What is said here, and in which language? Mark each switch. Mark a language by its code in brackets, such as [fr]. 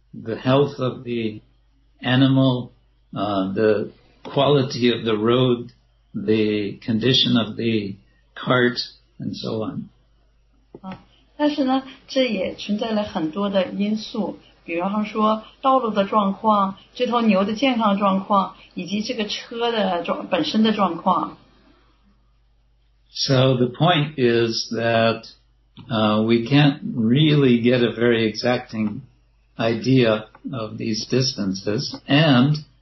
[en] The health of the animal, the quality of the road, the condition of the cart, and so on. [zh] 但是呢这也存在了很多的因素。比方说道路的状况，这头牛的健康状况，以及这个车的本身的状况。 [en] So the point is that we can't really get a very exacting idea of these distances, and